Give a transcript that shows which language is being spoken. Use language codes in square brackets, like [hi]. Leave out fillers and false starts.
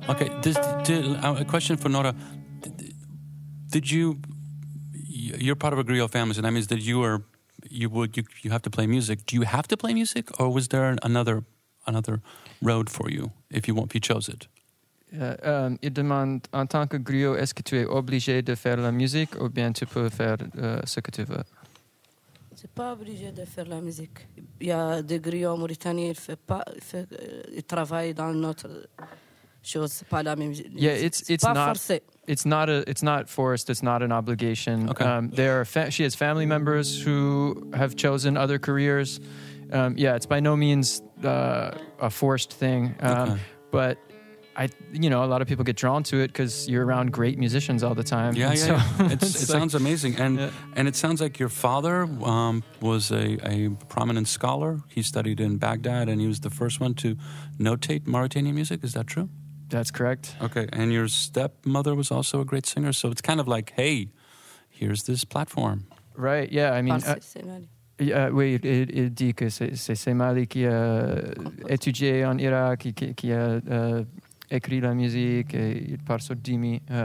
[en] okay, a question for Nora. You're part of a griot family, so that means that you have to play music. Do you have to play music, or was there another road for you if you chose it? [fr] Il demande, en tant que griot, est-ce que tu es obligé de faire la musique, ou bien tu peux faire ce que tu veux? C'est pas obligé de faire la musique. Il y a des griots mauritaniens, ils travaillent dans notre chose, pas la musique. [en] Yeah, it's [fr] pas [en] not [fr] forcé. [en] It's not forced. It's not an obligation. Okay. She has family members who have chosen other careers. It's by no means a forced thing. But a lot of people get drawn to it because you're around great musicians all the time. Yeah, yeah. Sounds amazing. And it sounds like your father was a prominent scholar. He studied in Baghdad, and he was the first one to notate Mauritanian music. Is that true? That's correct. Okay, and your stepmother was also a great singer, so it's kind of like, hey, here's this platform. Right, yeah, I mean... [fr] il dit que c'est Semali qui a étudié en Irak, qui a écrit la musique, et il parle sur Dimi.